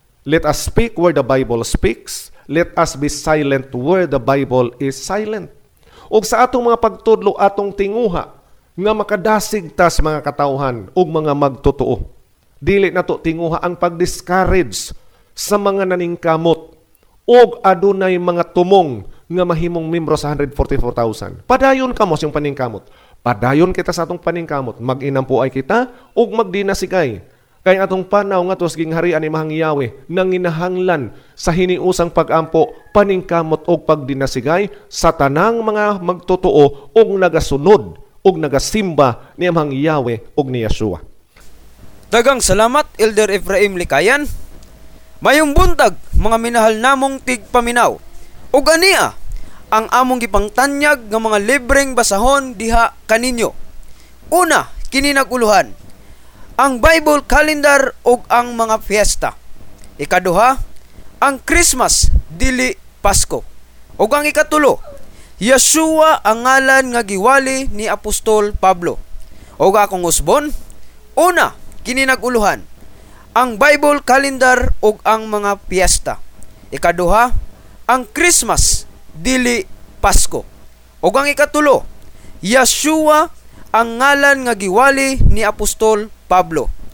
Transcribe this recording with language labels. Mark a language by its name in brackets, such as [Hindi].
[English] Let us speak where the Bible speaks. Let us be silent where the Bible is silent. [Cebuano] Ug sa atong mga pagtudlo, atong tinguha nga makadasig ta sa mga katawhan ug mga magtotoo. Dili na to tinguha ang pag-discourage sa mga naningkamot ug adunay mga tumong nga mahimong membro sa 144,000. Padayon kamo sa paningkamot. Padayon kita sa atong paningkamot. Mag-inampuay kita ug magdinasigay. Kay atong panaw nga tos gingharian ni Amhang Yahweh nang inahanglan sa hiniusang pag-ampo, paningkamot o pagdinasigay sa tanang mga magtotoo o nagasunod o nagasimba ni Amhang Yahweh o ni Yeshua. Dagang salamat, Elder Ephraim Likayan. Mayong buntag, mga minahal namong tigpaminaw. O ganiya, ang among gipangtanyag ng mga libreng basahon diha kaninyo. Una, kininaguluhan, ang Bible calendar o ang mga fiesta. Ikaduha, ang Christmas, dili Pasko. O ang ikatulo, Yeshua ang ngalan nga giwali ni Apostol Pablo. O akong usbon, una, kininaguluhan, ang Bible calendar o ang mga fiesta. Ikaduha, ang Christmas, dili Pasko. O ang ikatulo, Yeshua ang ngalan nga giwali ni Apostol Pablo.